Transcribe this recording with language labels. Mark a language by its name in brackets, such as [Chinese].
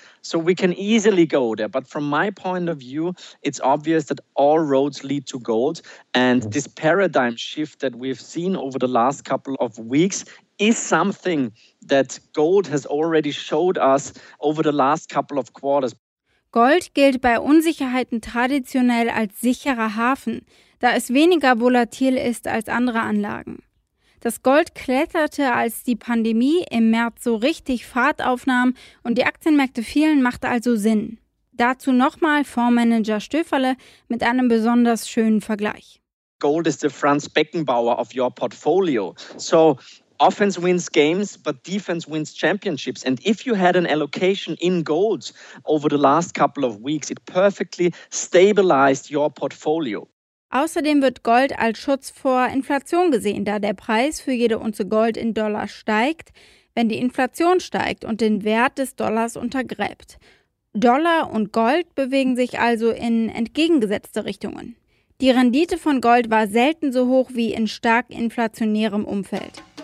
[English] So we can easily go there. But from my point of view, it's obvious that all roads lead to gold. And this paradigm shift that we've seen over the last couple of weeks is something that gold has already showed us over the last couple of quarters. [German] Gold gilt bei Unsicherheiten traditionell als sicherer Hafen, da es weniger volatil ist als andere Anlagen. Das Gold kletterte, als die Pandemie im März so richtig Fahrt aufnahm und die Aktienmärkte fielen, machte also Sinn. Dazu nochmal Fondsmanager Stöferle mit einem besonders schönen Vergleich. [English] Gold is the Franz Beckenbauer of your portfolio. So offense wins games, but defense wins championships. And if you had an allocation in gold over the last couple of weeks, it perfectly stabilized your portfolio. [German] Außerdem wird Gold als Schutz vor Inflation gesehen, da der Preis für jede Unze Gold in Dollar steigt, wenn die Inflation steigt und den Wert des Dollars untergräbt. Dollar und Gold bewegen sich also in entgegengesetzte Richtungen. Die Rendite von Gold war selten so hoch wie in stark inflationärem Umfeld.